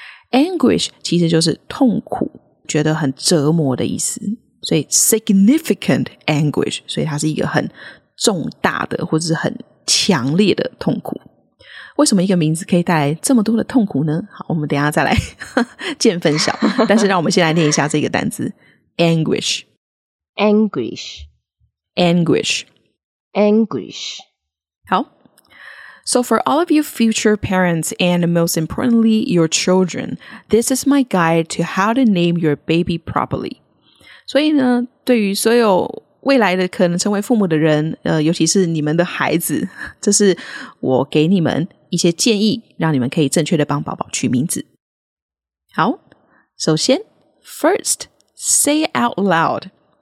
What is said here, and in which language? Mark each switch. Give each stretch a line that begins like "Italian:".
Chinese: Anguish 其实就是痛苦，觉得很折磨的意思，所以 significant anguish， 所以它是一个很重大的或者是很强烈的痛苦。为什么一个名字可以带来这么多的痛苦呢？好，我们等一下再来见分晓。但是让我们先来念一下这个单字 anguish
English: anguish anguish anguish。
Chinese: 好，
English: So for all of you future parents and most importantly your children, this is my guide to how to name your baby properly.
Chinese: 所以呢，对于所有未来的可能成为父母的人，尤其是你们的孩子，这是我给你们一些建议，让你们可以正确的帮宝宝取名字。好，首先
English: First, say out loud.